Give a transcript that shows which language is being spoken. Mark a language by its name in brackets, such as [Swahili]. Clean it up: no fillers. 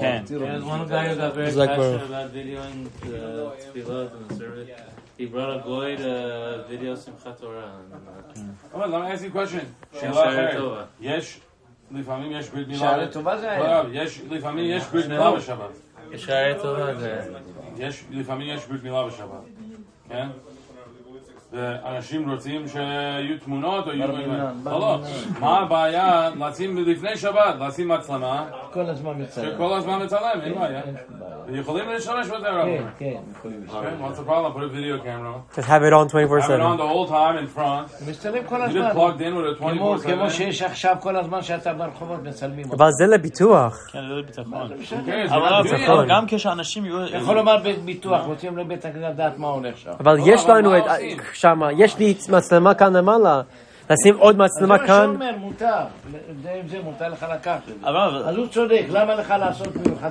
[Hebrew] כן, [English] one guy is a very passionate about video and tefillah and the service. He brought a goy to video Simchat Torah. Let me ask you a question. [Hebrew] יש, לפעמים יש ברית מילה. שערי טובה זה היה. לפעמים יש ברית מילה בשבת. יש שערי טובה, זה... לפעמים יש ברית מילה בשבת, כן? ואנשים רוצים שיהיו תמונות או יהיו... לא, מה הבעיה? לשים לפני שבת, לשים מצלמה... כל הזמן מצלם. שכל הזמן מצלם, אין בעיה. ויכולים להשתמש בזה, רב. כן, כן. [English] What's the problem? Put a video camera. Just have it on 24/7. Have it on the whole time in front. [Hebrew] מצלם כל הזמן. [English] You just plugged in with a 24/7. [Hebrew] כמו שיש עכשיו כל הזמן שאתה ברחובות מצלמים. אבל זה לביטוח. כן, זה לביטחון. כן, זה לביטחון. גם כשאנשים יהיו... יכול לומר בביטוח, רוצים לבית הגדת מה הולך שם. אבל יש לנו את... שמה, יש לי מצלמה כאן למעלה. לשים עוד מצלמה כאן. אז מה שאומר, מותר. זה מותר לך לקחת. אבל הוא צודק, למה לך לעשות מלוכה?